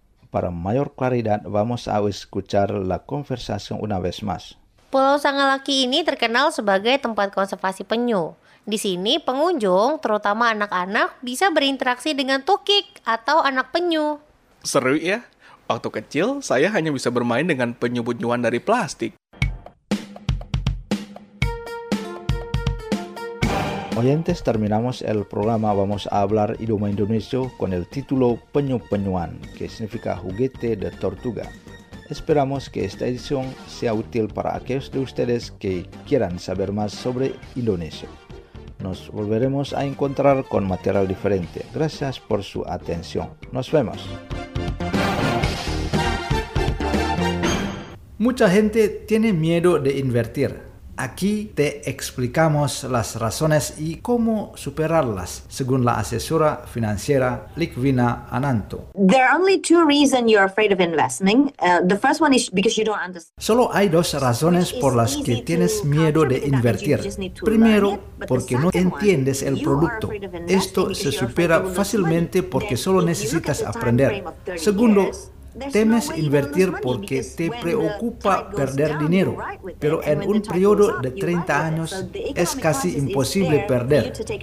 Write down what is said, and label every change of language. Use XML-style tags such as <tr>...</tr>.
<es>Para mayor claridad, vamos a escuchar la conversación una vez más.</es> <id>Pulau Sangalaki ini terkenal sebagai tempat konservasi penyu. Di sini, pengunjung, terutama anak-anak, bisa berinteraksi dengan tukik atau anak penyu. Seru ya. Waktu kecil, saya hanya bisa bermain dengan penyu-penyuan dari plastik.</id> <es>Oyentes, terminamos el programa Vamos a Hablar Idioma Indonesio con el título Penyu-penyuan, que significa juguete de tortuga. Esperamos que esta edición sea útil para aquellos de ustedes que quieran saber más sobre Indonesia. Nos volveremos a encontrar con material diferente. Gracias por su atención. Nos vemos. Mucha gente tiene miedo de invertir. Aquí te explicamos las razones y cómo superarlas, según la asesora financiera Likvina Ananto.</es> <en>There are only two reasons you're afraid of investing. The first one is because you don't understand.</en> <es>Solo hay dos razones por las que tienes miedo de invertir. Primero, porque no entiendes el producto. Esto se supera fácilmente porque solo necesitas aprender. Segundo, temes invertir porque te preocupa perder dinero, pero en un periodo de 30 años es casi imposible perder.</es>